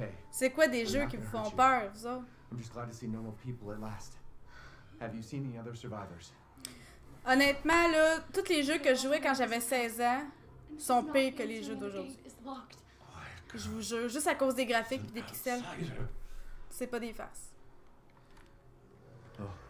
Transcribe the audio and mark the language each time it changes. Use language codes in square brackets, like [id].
[fr] C'est quoi des jeux qui vous font peur, ça? [en] I'm just glad to see normal people at last. Have you seen any other survivors? [fr] Honnêtement, là, tous les jeux que je jouais quand j'avais 16 ans sont pires que les jeux d'aujourd'hui. Je vous jure, juste à cause des graphiques et des pixels. C'est pas des farces. Oh.